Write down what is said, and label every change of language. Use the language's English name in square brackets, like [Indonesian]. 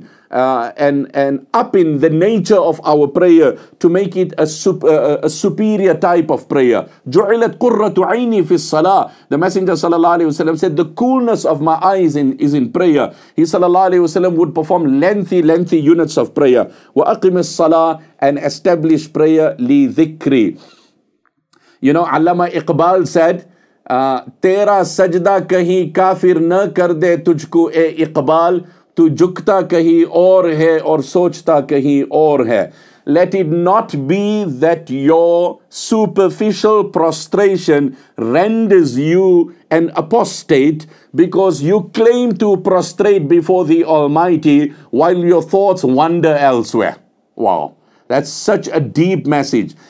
[English] and up in the nature of our prayer to make it a superior type of prayer. [Arabic] جُعِلَتْ قُرَّةُ عَيْنِي فِي الصَّلَاةِ. [English] The Messenger sallallahu alayhi wa sallam said, the coolness of my eyes is in prayer. He sallallahu alayhi wa sallam would perform lengthy units of prayer. [Arabic] وَأَقِمِ الصَّلَاةِ, [English] and establish prayer [Arabic] لِذِكْرِ. [English] You know, Allama Iqbal said, [Urdu] تیرا سجدہ کہیں کافر نہ کر دے تجھ کو اے اقبال, تو جھکتا کہیں اور ہے اور سوچتا کہیں اور ہے. [English] Let it not be that your superficial prostration renders you an apostate, because you claim to prostrate before the Almighty while your thoughts wander elsewhere. Wow, that's such a deep message.